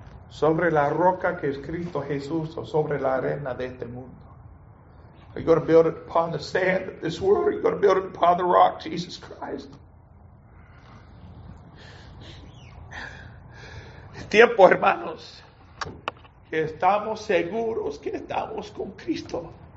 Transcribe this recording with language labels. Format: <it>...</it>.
<es>¿Sobre la roca que es Cristo Jesús o sobre la arena de este mundo?</es> <en>Are you going to build it upon the sand of this world? Are you going to build it upon the rock, Jesus Christ?</en> <es>Es tiempo, hermanos, que estamos seguros que estamos con Cristo.</es>